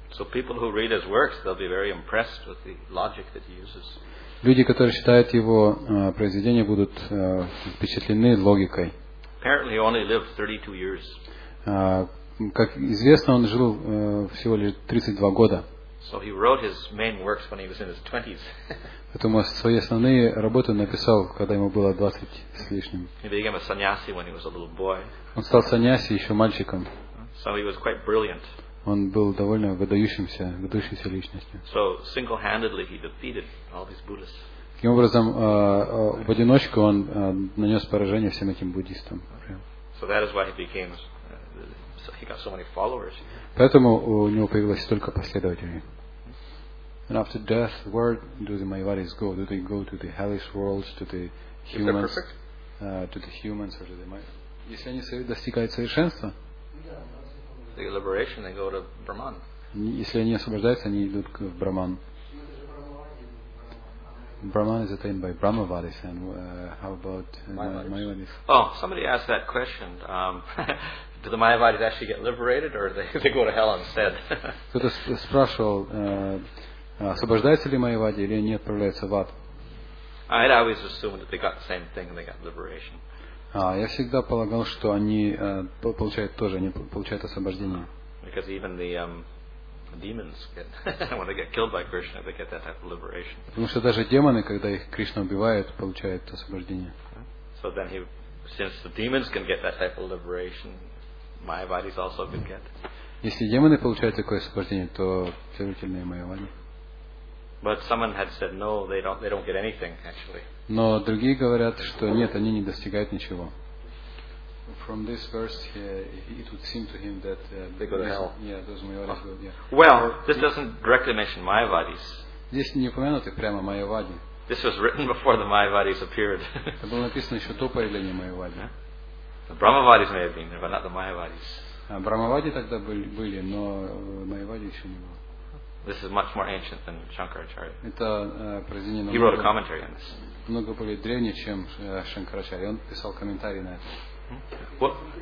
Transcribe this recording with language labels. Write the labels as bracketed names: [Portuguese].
[English] So people who read his works, they'll be very impressed with the logic that he uses. [Russian] Люди, которые читают его произведения, будут впечатлены логикой. [English] Apparently he only lived 32 years. [Russian] Как известно, он жил всего лишь 32 года. [English] So he wrote his main works when he was in his 20s. [Russian] Поэтому свои основные работы написал, когда ему было 20 с лишним. [English] He became a sannyasi when he was a little boy. [Russian] Он стал саньяси еще мальчиком. [English] So he was quite brilliant. [Russian] Он был довольно выдающейся личностью. [English] So single-handedly he defeated all these Buddhists. [Russian] Таким образом, в одиночку он нанес поражение всем этим буддистам. [English] So that is why he became, he got so many followers. [Russian] Поэтому у него появилось столько последователей. [English] And after death, where do the Mayavadis go? Do they go to the hellish worlds, to the humans? To the humans or to the Mayavadis? [Russian] Если они достигают совершенства? [English] The liberation, they go to Brahman. [Russian] Если они освобождаются, они идут в Брахман. [English] Brahman is attained by Brahmavadis, and how about Mayavadis? Oh, somebody asked that question. do the Mayavadis actually get liberated, or they go to hell instead? [Russian] Кто-то спрашивал, освобождаются ли Майявади или они отправляются в ад? [English] I'd always assumed that they got the same thing and they got liberation. [Russian] Я всегда полагал, что они получают тоже, они получают освобождение. [English] Because even the demons get when they get killed by Krishna, they get that type of liberation. [Russian] Потому что даже демоны, когда их Кришна убивает, получают освобождение. [English] So then he, since the demons can get that type of liberation, Mayavadis also can get. [Russian] Если демоны получают такое освобождение, то следовательно и Майявади. [English] But someone had said no, they don't get anything actually. [Russian] Но другие говорят, что нет, они не достигают ничего. [English] From this verse, it would seem to him that they go to hell. Yeah, those Mayavadis go. Yeah. Well, this doesn't directly mention Mayavadis. [Russian] Здесь не упомянуты прямо Майявади. [English] This was written before the Mayavadis appeared. [Russian] Это было написано еще до появления Майявади. [English] The Brahmavadis may have been there, but not the Mayavadis. [Russian] Брахмавади тогда были, но Майявади еще не было. [English] This is much more ancient than Shankaracharya. [Russian] Это произведение. [English] He wrote a commentary on this. [Russian] Много более древнее, чем Шанкарачарья. Он писал комментарий на это.